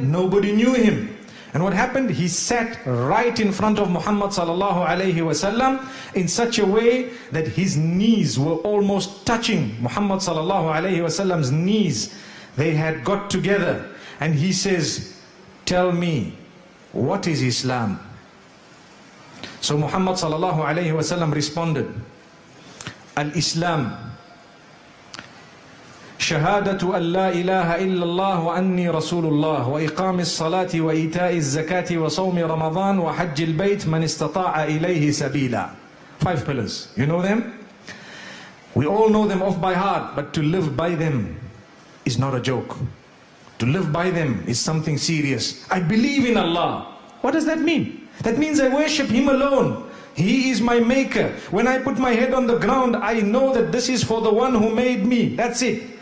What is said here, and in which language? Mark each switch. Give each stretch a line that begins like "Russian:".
English: Nobody knew him. And what happened? He sat right in front of Muhammad sallallahu alayhi wasallam in such a way that his knees were almost touching Muhammad sallallahu alayhi wasallam's knees. They had got together and he says, "Tell me, what is Islam?" So Muhammad sallallahu alayhi wasallam responded,
Arabic: "Al-Islam شهادة أن لا إله إلا الله وأني رسول الله وإقام الصلاة وإيتاء الزكاة وصوم رمضان وحج البيت من استطاع إليه سبيلا."
English: Five pillars. You know them? We all know them off by heart, but to live by them is not a joke. To live by them is something serious. I believe in Allah. What does that mean? That means I worship Him alone. He is my maker. When I put my head on the ground, I know that this is for the one who made me. That's it.